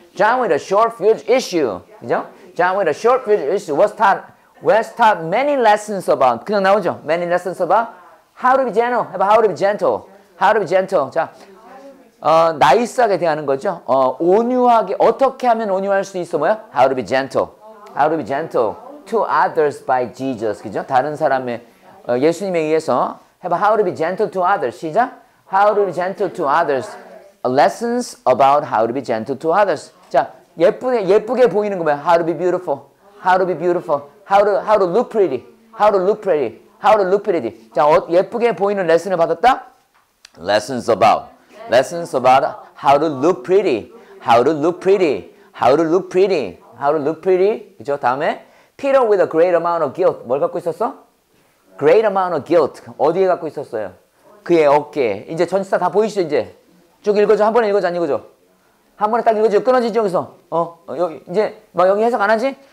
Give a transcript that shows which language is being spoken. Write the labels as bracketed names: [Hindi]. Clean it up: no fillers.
[English] John with a short fuse issue. [Korean] 그죠? [English] John with a short fuse issue. Was taught many lessons about. [Korean] 그냥 나오죠? [English] Many lessons about. How to be gentle. [Korean] 해봐, [English] how to be gentle. How to be gentle. [Korean] 자. 나이스하게 대하는 거죠. 온유하게 어떻게 하면 온유할 수 있어 뭐야? [English] How to be gentle. How to be gentle to others by Jesus. [Korean] 그죠? 다른 사람의 예수님에 의해서 해봐. [English] How to be gentle to others. [Korean] 시작. [English] How to be gentle to others. Lessons about how to be gentle to others. [Korean] 자, 예쁘게 보이는 거 뭐야? [English] How to be beautiful. How to be beautiful. How to look pretty. How to look pretty. How to look pretty. [Korean] 자, 예쁘게 보이는 레슨을 받았다. [English] Lessons about. Lessons about how to look pretty. How to look pretty. How to look pretty. How to look pretty. [Korean] 그죠? 다음에 [English] Peter with a great amount of guilt. [Korean] 뭘 갖고 있었어? [English] Great amount of guilt. [Korean] 어디에 갖고 있었어요? 그의 어깨. 이제 전치사 다 보이시죠? 이제 쭉 읽어줘. 한 번에 읽어줘. 안 읽어줘? 한 번에 딱 읽어줘. 끊어지지 여기서. 여기 이제 막 여기 해석 안 하지?